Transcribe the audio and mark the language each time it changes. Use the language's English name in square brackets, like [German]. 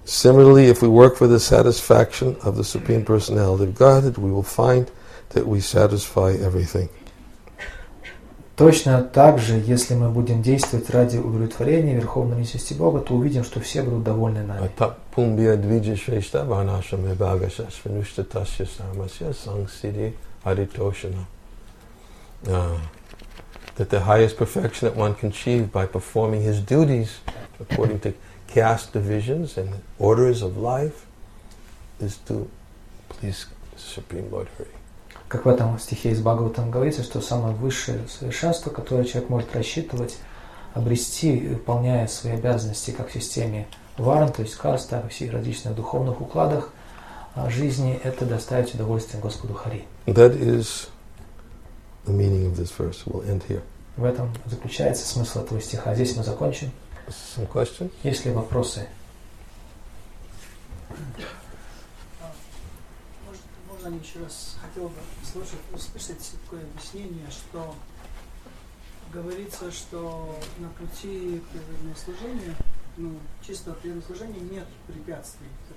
[English] Similarly, if we work for the satisfaction of the Supreme Personality of Godhead, we will find that we satisfy everything. [Russian] Точно так же, если мы будем действовать ради удовлетворения Верховной Личности Бога, то увидим, что все будут довольны нами. [Sanskrit] Атак пумбия двиджи шрешта ванаша мебага шашвинушта тасья самасья сангсири аритошина. [English] That the highest perfection that one can achieve by performing his duties according to caste divisions and orders of life is to please the Supreme Lord Hari. [Russian] Как в этом стихе из Бхагаватам говорится, что самое высшее совершенство, которое человек может рассчитывать, обрести, выполняя свои обязанности как в системе варн, то есть каста, во всех различных духовных укладах жизни, это доставить удовольствие Господу Хари. [English] That is the meaning of this verse. We'll end here. [Russian] В этом заключается смысл этого стиха. Здесь мы закончим. [English] Some questions? [Russian] Есть ли вопросы? Можно еще раз хотел бы услышать такое объяснение, что говорится, что на пути преданного служения, ну, чистого преданного служения нет препятствий.